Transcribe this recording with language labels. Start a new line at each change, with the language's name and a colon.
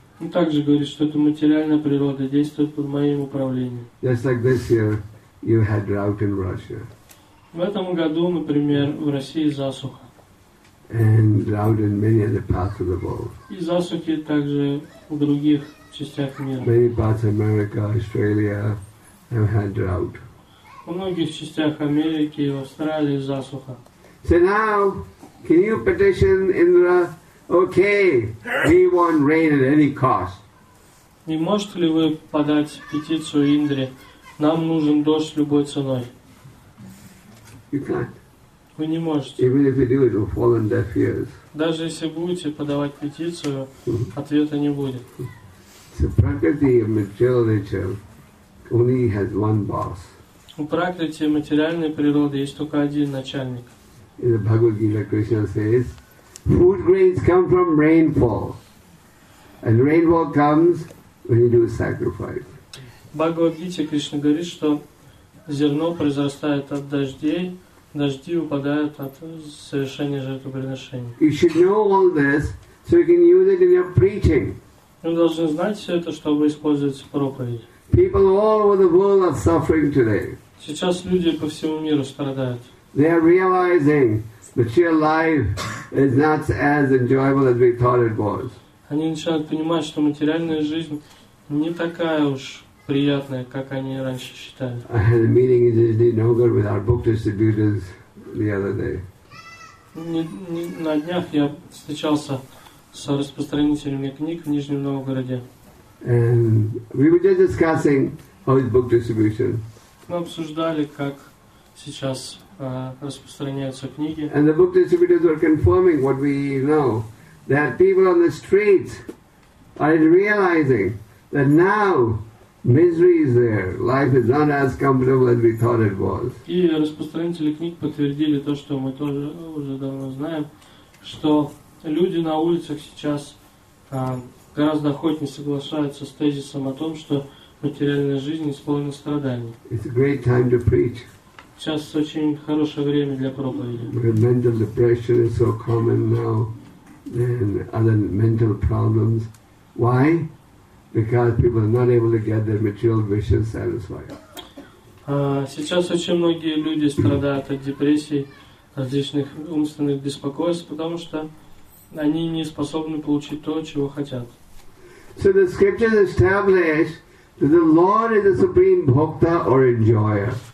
Russian: Он также говорит, что эта материальная природа действует под моим управлением.
English: Just like this year, you had drought in Russia.
Russian: В этом году, например, в России засуха.
English: And drought in many other parts of the world.
Russian: И засухи также в других частях мира.
English: Many parts of America, Australia have had drought.
Russian: Во многих частях Америки и Австралии засуха.
English: So now, can you petition Indra? Okay, we want rain at any cost.
Russian: Не можете ли вы подать петицию Индре? Нам нужен дождь любой ценой.
English: You can't.
Russian: Вы не можете.
English: Even if you do, it will fall on deaf ears.
Russian: Даже если будете подавать петицию, ответа не будет.
English: The prakriti of material nature only has one boss.
Russian: У прокрити материальной природы есть только один начальник.
English: In the Bhagavad Gita, Krishna says, food grains come from rainfall. And rainfall comes when you do sacrifice.
Russian: Bhagavad Gita, Krishna говорит, что зерно произрастает от дождей, дожди упадают от совершения жертвоприношения.
English: You should know all this so you can use it in your preaching.
Russian: Вы должны знать все это, чтобы использовать в проповеди.
English: People all over the world are suffering today.
Russian: Сейчас люди по всему миру страдают.
English: They are realizing that your life is not as enjoyable as we thought it was.
Russian: Они начинают понимать, что материальная жизнь не такая уж приятная, как они раньше считали.
English: I had a meeting in Jindinogar with our book distributors the other day.
Russian: На днях я встречался с распространителями книг в Нижнем Новгороде.
English: And we were just discussing how is book distribution.
Russian: Мы обсуждали, как сейчас распространяются книги.
English: And the book distributors were confirming what we know, that people on the streets are realizing that now misery is there. Life is not as comfortable as we thought it was.
Russian: И распространители книг подтвердили то, что мы тоже уже давно знаем, что люди на улицах сейчас гораздо охотнее соглашаются с тезисом о том, что материальная жизнь исполнена страданий.
English: It's a great time to preach.
Russian: Сейчас очень хорошее время для проповеди.
English: Mental depression is so common now, and other mental problems. Why? Because people are not able to get their material wishes satisfied.
Russian: Сейчас очень многие люди страдают от депрессии, различных умственных беспокойств, потому что они не способны получить то, чего хотят.
English: So the scriptures establish that the Lord is the supreme bhokta or enjoyer.